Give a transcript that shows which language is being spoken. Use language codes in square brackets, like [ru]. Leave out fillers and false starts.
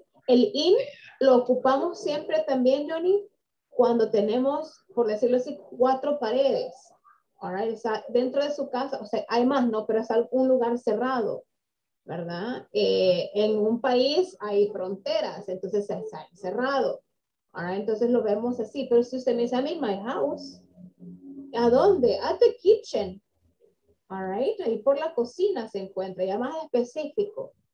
[es] El in lo ocupamos siempre también, Johnny, cuando tenemos, por decirlo así, cuatro paredes. All right, está dentro de su casa. O sea, hay más, ¿no? Pero es un lugar cerrado, ¿verdad? En un país hay fronteras, entonces está cerrado. All right, entonces lo vemos así. Pero si usted me dice, [en] I'm in my house. [es] ¿A dónde? [en] At the kitchen. [es] All right, ahí por la cocina se encuentra, ya más específico.